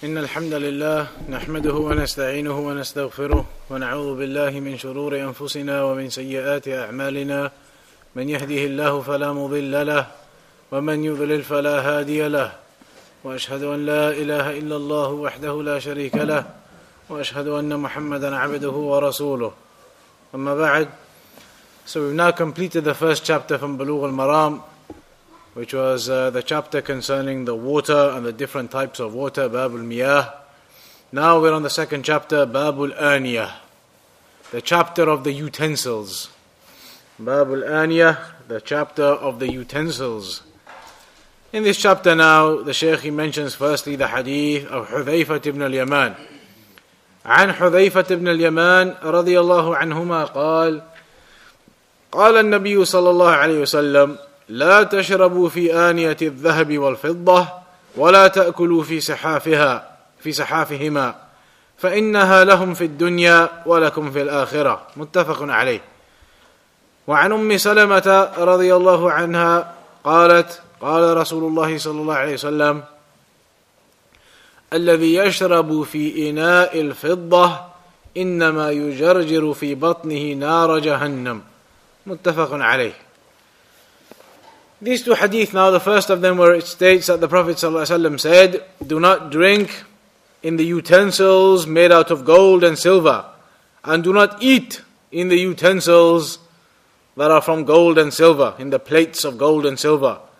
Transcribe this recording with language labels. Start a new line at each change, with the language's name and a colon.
Arabic: إن الحمد لله نحمده ونستعينه ونستغفره ونعوذ بالله من شرور أنفسنا ومن سيئات أعمالنا من يهده الله فلا مضل له ومن يضلل فلا هادي له وأشهد أن لا إله إلا الله وحده لا شريك له وأشهد أن محمدا عبده ورسوله أما بعد.
English: So we've now completed the first chapter from Bulugh al-Maram, which was the chapter concerning the water and the different types of water, Babul Miyah. Now we're on the second chapter, Babul Aniyah, the chapter of the utensils. Babul Aniyah, the chapter of the utensils. In this chapter now, the Shaykh, he mentions firstly the hadith of Hudhayfah ibn al-Yaman.
Arabic: An Hudhayfah ibn al-Yaman, radiyallahu anhuma, qala al-Nabiyu sallallahu alayhi wa sallam, لا تشربوا في آنية الذهب والفضة ولا تأكلوا في سحافها في سحافهما فإنها لهم في الدنيا ولكم في الآخرة. متفق عليه. وعن أم سلمة رضي الله عنها قالت قال رسول الله صلى الله عليه وسلم الذي يشرب في إناء الفضة إنما يجرجر في بطنه نار جهنم. متفق عليه.
English: These two hadith now, the first of them where it states that the Prophet ﷺ said, do not drink in the utensils made out of gold and silver, and do not eat in the utensils that are from gold and silver, in the plates of gold and silver.